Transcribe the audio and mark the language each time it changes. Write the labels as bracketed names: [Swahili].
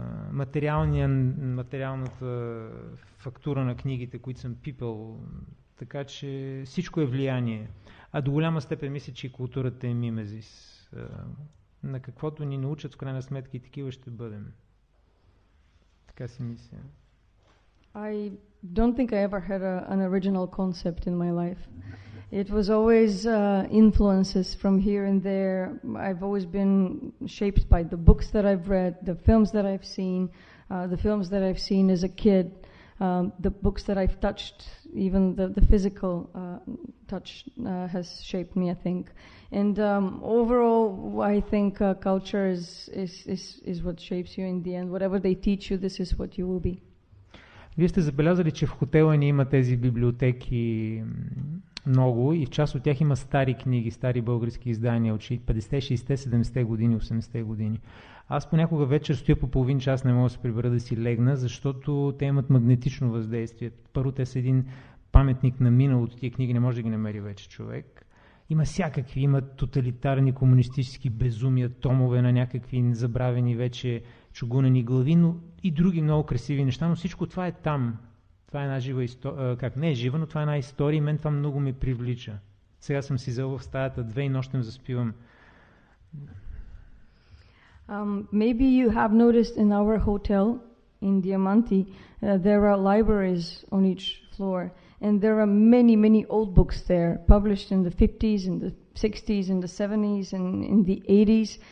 [Bulgarian] Материалната фактура на книгите, които съм пипал. Така че всичко е влияние. А до голяма степен мисля, че и културата е мимезис. На каквото ни научат, в крайна сметка, и такива ще бъдем. Така си мисля. [English] I don't think I ever had an original concept in my life. It was always influences from here and there. I've always been shaped by the books that I've read, the films that I've seen, the films that I've seen as a kid, the books that I've touched, even the physical touch has shaped me, I think. And overall, I think culture is what shapes you in the end. Whatever they teach you, this is what you will be. [Bulgarian] Вие сте забелязали, че в хотела ни има тези библиотеки много и в част от тях има стари книги, стари български издания от 50-те, 60-те, 70-те години, 80-те години. Аз понякога вечер стоя по половин час, не мога да се прибера да си легна, защото те имат магнетично въздействие. Първо, те са един паметник на миналото, тия книги не може да ги намери вече човек. Има всякакви, има тоталитарни, комунистически безумия, томове на някакви забравени вече чугунени глави, но и други много красиви неща, но всичко това е там. Това е една жива история. Как не е жива, но това е една история и мен това много ме привлича. Сега съм си взел в стаята две и нощем заспивам. [English] Maybe you have noticed in our hotel in Diamanti there are libraries on each floor and there are many, many old books there published in the 50s, in the 60s, in the 70s and in the 80s.